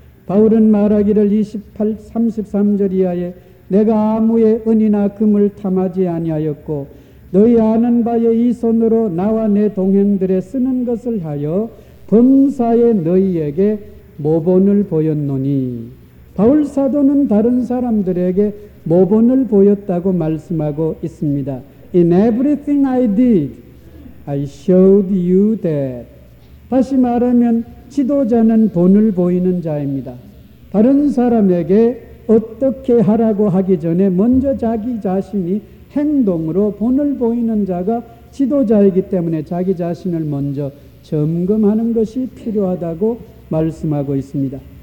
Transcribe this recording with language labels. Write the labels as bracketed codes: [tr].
[ko] 바울은 말하기를 33절 이하에 내가 아무의 은이나 금을 탐하지 아니하였고 너희 아는 바에 이 손으로 나와 내 동행들에 쓰는 것을 하여 범사에 너희에게 모본을 보였노니 바울사도는 다른 사람들에게 모본을 보였다고 말씀하고 있습니다. [en] In everything I did, I showed you that. [ko] 다시 말하면 지도자는 본을 보이는 자입니다. 다른 사람에게 어떻게 하라고 하기 전에 먼저 자기 자신이 행동으로 본을 보이는 자가 지도자이기 때문에 자기 자신을 먼저 점검하는 것이 필요하다고 말씀하고 있습니다.